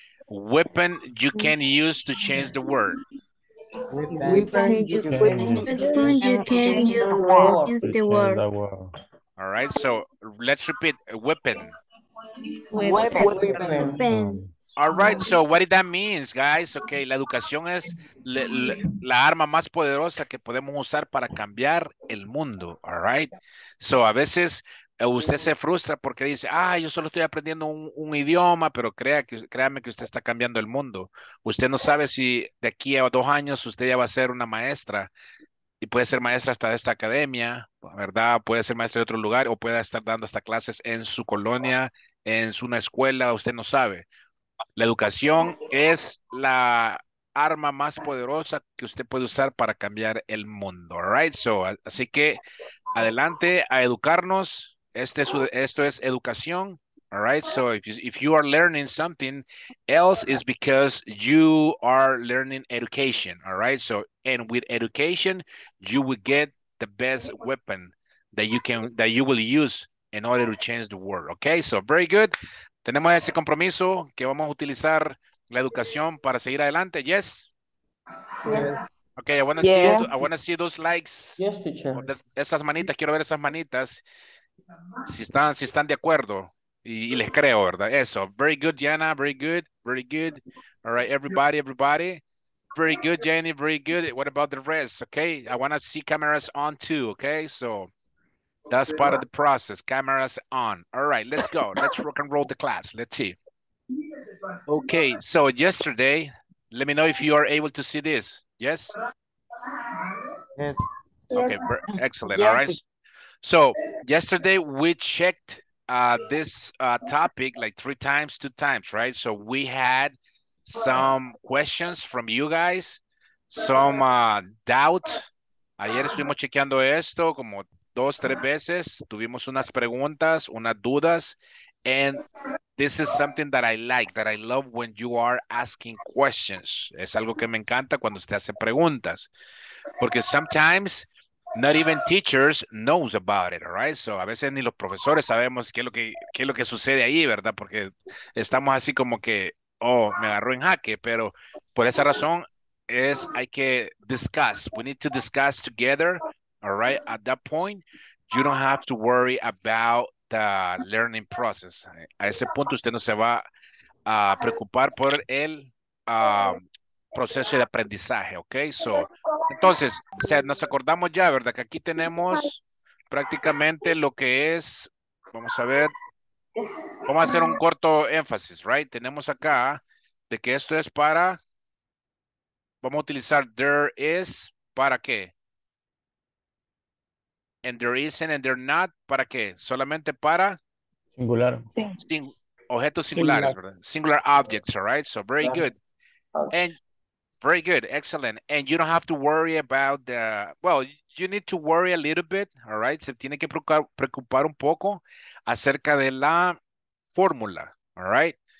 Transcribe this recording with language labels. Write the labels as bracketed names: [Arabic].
[English] Weapon you can use to change the world. Weapon you can use the world. All right, so let's repeat. Weapon. Weapon. All right, so what did that mean, guys? [Spanish] Okay, la educación es la arma más poderosa que podemos usar para cambiar el mundo. All right, so a veces usted se frustra porque dice, ah, yo solo estoy aprendiendo un idioma, pero créame que usted está cambiando el mundo. Usted no sabe si de aquí a 2 años usted ya va a ser una maestra, y puede ser maestra hasta de esta academia, ¿verdad? Puede ser maestra de otro lugar, o puede estar dando hasta clases en su colonia, en una escuela, usted no sabe. La educación es la arma más poderosa que usted puede usar para cambiar el mundo, right? So, así que adelante a educarnos. Esto es educación, all right? [English] So if you are learning something else, is because you are learning education, all right? So, and with education, you will get the best weapon that you will use in order to change the world, okay? So very good. [Spanish] Tenemos ese compromiso que vamos a utilizar la educación para seguir adelante. [English] Yes? Yes. Okay, I want to see those likes. Yes, teacher. [Spanish] Esas manitas, quiero ver esas manitas. Si están de acuerdo, y les creo, ¿verdad? [English] Eso. Very good, Jana. Very good. Very good. All right, everybody. Very good, Jenny. Very good. What about the rest? Okay, I want to see cameras on too, okay? So that's part of the process. Cameras on. All right, let's go. Let's rock and roll the class. Let's see. Okay, so yesterday, let me know if you are able to see this. Yes? Yes. Okay, excellent. Yes. All right. So yesterday we checked this topic like two times, right? So we had some questions from you guys, some doubt. [Spanish] Ayer estuvimos chequeando esto como 2-3 veces. [English] Tuvimos unas preguntas, unas dudas. And this is something that I like, that I love when you are asking questions. [Spanish] Es algo que me encanta cuando usted hace preguntas. Porque sometimes not even teachers knows about it, all right? So a veces ni los profesores sabemos qué es lo que sucede ahí, ¿verdad? Porque estamos así como que, oh, me agarró en jaque. Pero por esa razón es, hay que discuss. [English] We need to discuss together, all right? At that point, you don't have to worry about the learning process. [Spanish] A ese punto usted no se va a preocupar por el proceso de aprendizaje, okay? So, entonces, nos acordamos ya, ¿verdad? Que aquí tenemos prácticamente lo que es, vamos a ver, vamos a hacer un corto énfasis, right? Tenemos acá de que esto es para, vamos a utilizar there is, ¿para qué? [English] And there isn't and there not, ¿para qué? Solamente para singular. Objetos singulares, singular. ¿Verdad? Singular objects, all right? So, very good. Very good, excellent. And you don't have to worry about the, well, you need to worry a little bit, all right? [Spanish] Se tiene que preocupar un poco acerca de la fórmula, all right?